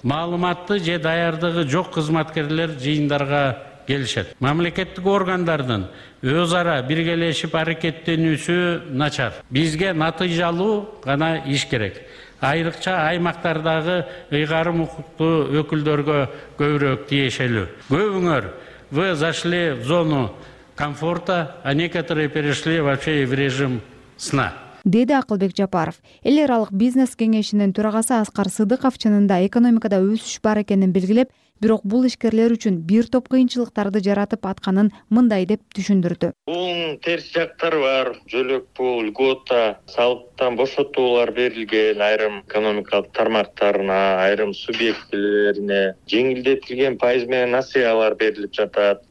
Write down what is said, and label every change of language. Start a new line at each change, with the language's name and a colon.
Kyrgyz: Маалыматты же даярдыгы жок кызматкерлер жыйындарга келишет. Мамлекеттик органдардын өз ара биргелешип аракеттенүүсү начар. Бизге натыйжалуу гана иш керек. Айрыкча аймактардагы ыйгарым укуктуу өкүлдөргө көбүрөөк тиешелүү. Көбүңөр
Russian: вы зашли в зону комфорта, а некоторые перешли вообще в режим сна.
Kyrgyz: Деди Акылбек Жапаров. Эл аралык бизнес кеңешинин төрагасы Аскар Сыдыков чынында экономикада өсүш бар экенин белгилеп, бирок бул ишкерлер үчүн бир топ кыйынчылыктарды жаратып атканын мындай деп түшүндүрдү. Бунун терс жактары бар. Жөлөк пул, льгота, салыктан бошотуулар берилген айрым экономикалык тармактарына, айрым субъектилерине жеңилдетилген пайыз менен насыялар берилип жатат.